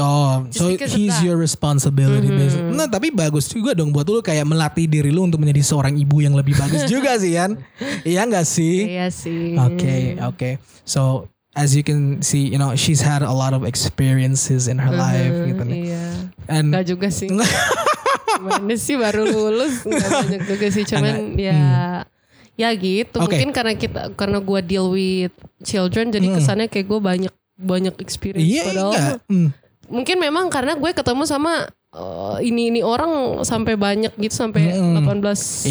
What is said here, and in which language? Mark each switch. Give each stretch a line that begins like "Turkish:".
English: Yo, so he's your responsibility.
Indonesian: Nah, tapi bagus juga dong buat lu kayak melatih diri lu untuk menjadi seorang ibu yang lebih bagus juga sih, Yan. Iya gak sih? Iya sih. Oke.
English: So, as you can see, you know, she's had a lot of experiences in her life.
Indonesian: Gitu. Iya. And, gak juga sih. Gimana sih baru lulus? Gak banyak juga sih, cuman ya gitu. Okay. Mungkin karena gue
English: deal with children,
Indonesian: jadi kesannya kayak gue banyak experience. Iya, enggak. Mungkin memang karena gue ketemu sama ini orang sampai banyak gitu, sampai 18